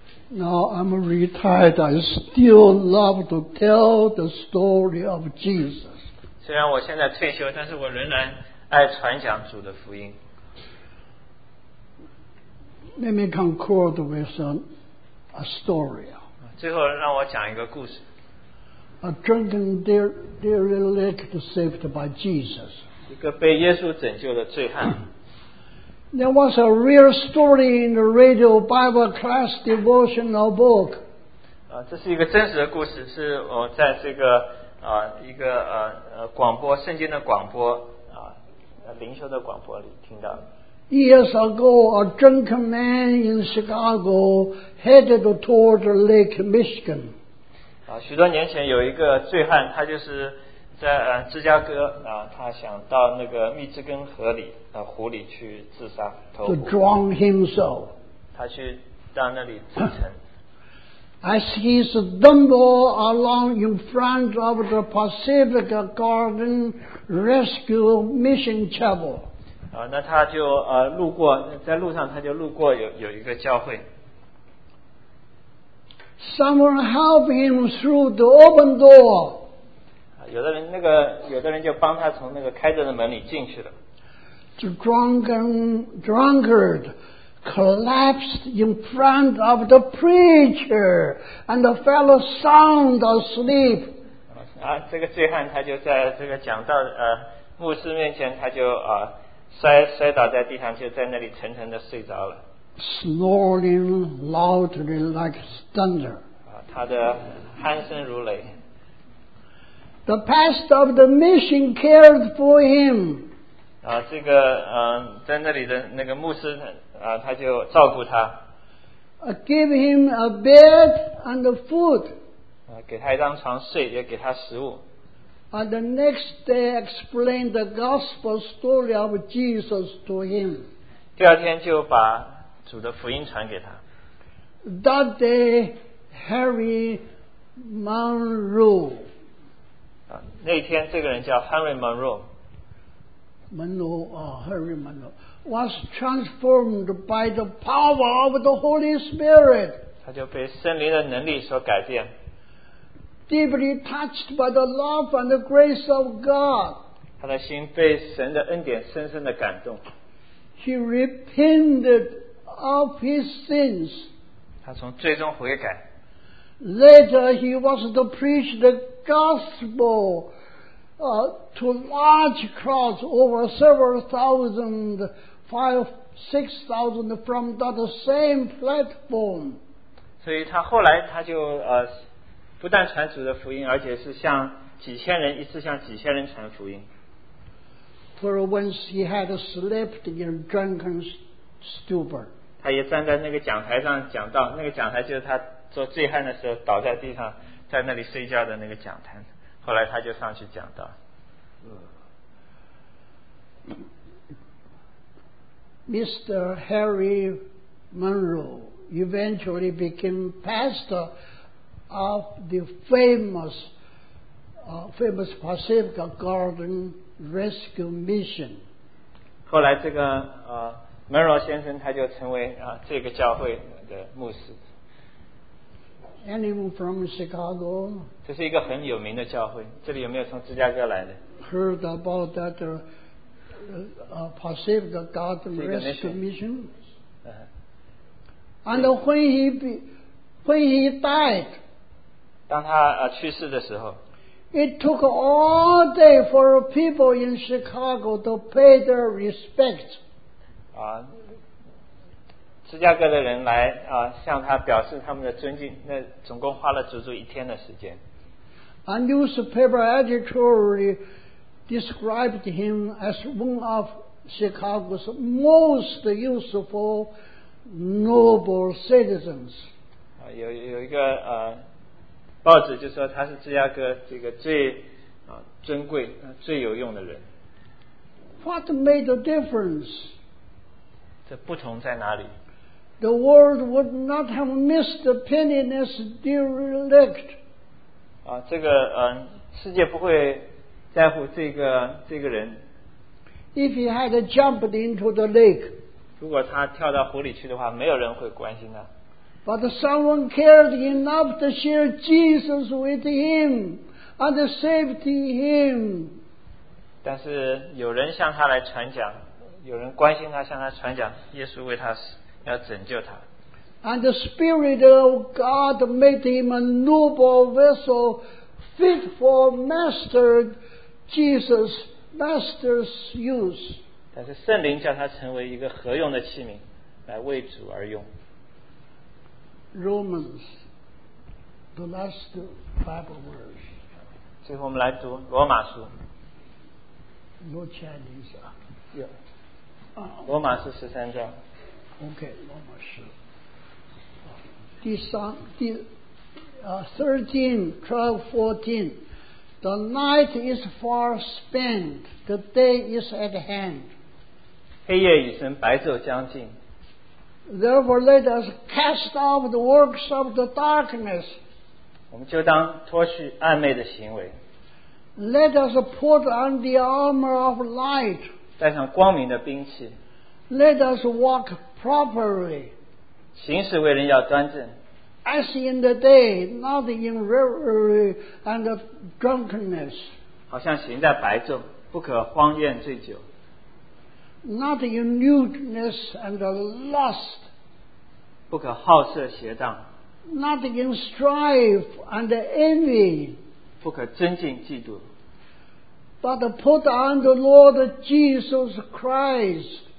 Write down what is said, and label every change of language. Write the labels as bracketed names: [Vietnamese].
[English] Now I'm retired, I still love to tell the story of Jesus. [Chinese] 虽然我现在退休，但是我仍然爱传讲主的福音。 [English] Let me conclude with a story. [Chinese] 最后让我讲一个故事。 [English] A drunken derelict saved by Jesus. [Chinese] 一个被耶稣拯救的罪汉。 [English] There was a real story in the radio Bible class devotional book. [Chinese] 这是一个真实的故事，是我在这个一个广播圣经的广播灵修的广播里听到的。 [English] Years ago, a drunken man in Chicago headed toward Lake Michigan. [Chinese] 许多年前有一个醉汉，他就是在芝加哥他想到那个密芝根河里湖里去自杀投湖。 [English] To drown himself. [Chinese] 他去到那里自沉。 [English] As he's stumbled along in front of the Pacific Garden Rescue Mission Chapel. [Chinese] 那他就路过，在路上他就路过有一个教会。 [English] Someone helped him through the open door. [Chinese] 有的人就帮他从那个开着的门里进去了。 [English] The drunkard collapsed in front of the preacher and fell sound asleep. [Chinese] 这个醉汉他就在这个讲到牧师面前，他就摔倒在地上，就在那里沉沉的睡着了。 [English] Snoring loudly like thunder. [Chinese] 他的鼾声如雷。 [English] The pastor of the mission cared for him. [Chinese] 这个在那里的那个牧师他就照顾他。 [English] Give him a bed and a food. [Chinese] 给他一张床睡，也给他食物。 [English] And the next day explained the gospel story of Jesus to him. [Chinese] 第二天就把主的福音传给他。 [English] That day, Harry Monroe. [Chinese] 那天这个人叫 Henry Monroe. [English] Monroe, Henry Monroe, was transformed by the power of the Holy Spirit. [Chinese] 他就被圣灵的能力所改变。 [English] Deeply touched by the love and the grace of God. [Chinese] 他的心被神的恩典深深的感动。 [English] He repented of his sins. [Chinese] 他从罪中悔改。 [English] Later, he was to preach the gospel to large crowds over several thousand, 5,000-6,000 from that same platform. [Chinese] 所以他后来他就不但传主的福音，而且是向几千人，一次向几千人传福音。 [English] For once he had slept in a drunken stupor. [Chinese] 他也站在那个讲台上讲道，那个讲台就是他做醉汉的时候倒在地上在那里睡觉的那个讲坛，后来他就上去讲道。 [English] Mr. Harry Monroe eventually became pastor of the famous Pacific Garden Rescue Mission. [Chinese] 后来这个Monroe 先生他就成为这个教会的牧师。 [English] Anyone from Chicago? [Chinese] 这是一个很有名的教会。这里有没有从芝加哥来的？ [English] Heard about that Pacific Garden Rescue Mission? And when he died, [Chinese] 当他去世的时候， [English] It took all day for people in Chicago to pay their respect. [Chinese] 啊，芝加哥的人来啊，向他表示他们的尊敬。那总共花了足足一天的时间。 [English] A newspaper editor described him as one of Chicago's most useful noble citizens. [Chinese] 啊，有一个啊。报纸就说他是芝加哥这个最、啊、尊贵、啊、最有用的人。 [English] What made the difference? [Chinese] 这不同在哪里？ [English] The world would not have missed the penniless derelict. [Chinese] 啊，这个嗯，世界不会在乎这个人。 [English] If he had jumped into the lake. [Chinese] 如果他跳到湖里去的话，没有人会关心他。 [English] But someone cared enough to share Jesus with him and saved him. [Chinese] 但是有人向他来传讲，有人关心他，向他传讲，耶稣为他要拯救他。 [English] And the Spirit of God made him a noble vessel fit for Master Jesus, Master's use. [Chinese] 但是圣灵叫他成为一个合用的器皿，来为主而用。 [English] Romans, the last Bible verse. [Chinese] 最后我们来读罗马书。 [English] No Chinese. Yeah. [Chinese] 罗马书十三章。 Okay, 罗马书。第三第啊 [English] 13:12-14, the night is far spent, the day is at hand. [Chinese] 黑夜已深，白昼将近。 [English] Therefore, let us cast off the works of the darkness. [Chinese] 我们就当脱去暧昧的行为。 [English] Let us put on the armor of light. [Chinese] 带上光明的兵器。 [English] Let us walk properly. [Chinese] 行事为人要端正。 [English] As in the day, not in revelry and drunkenness. [Chinese] 好像行在白昼，不可荒宴醉酒。 [English] Not in lewdness and lust. [Chinese] 不可好色邪荡。 [English] Not in strife and envy. [Chinese] 不可尊敬嫉妒。 [English] But put on the Lord Jesus Christ.